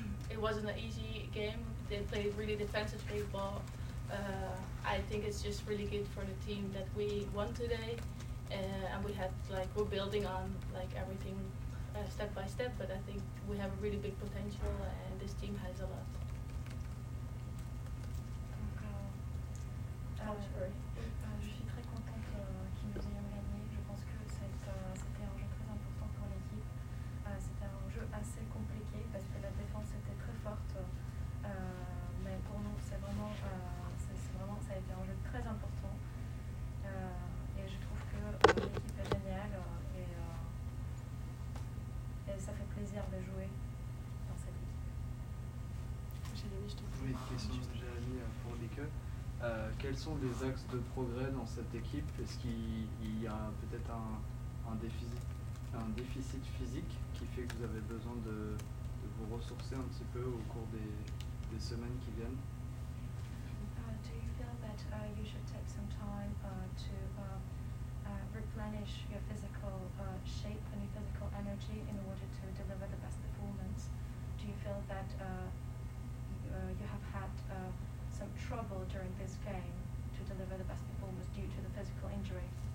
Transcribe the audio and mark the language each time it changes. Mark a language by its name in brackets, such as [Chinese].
[English] It wasn't an easy game. They played really defensive football. I think it's just really good for the team that we won today. And we had, like, we're building on, like, everything step by step. But I think we have a really big potential, and this team has a lot. [French] Je suis très contente qu'ils nous ayons gagné. Je pense que c'était un jeu très important pour l'équipe. C'était un jeu assez compliqué parce que la défense était très forte. Mais pour nous, c'est vraiment, ça a été un jeu très important. Et je trouve que l'équipe est géniale et ça fait plaisir de jouer dans cette équipe. Jérémy, je te pose une question. Juste Jérémy pour Lique. Quels sont les axes de progrès dans cette équipe? Est-ce qu'il y a peut-être un déficit physique qui fait que vous avez besoin de vous ressourcer un petit peu au cours des semaines qui viennent? [English] Do you feel that you should take some time to replenish your physical shape and your physical energy in order to deliver the best performance? Do you feel that you have had some trouble during this game to deliver the best performance due to the physical injury?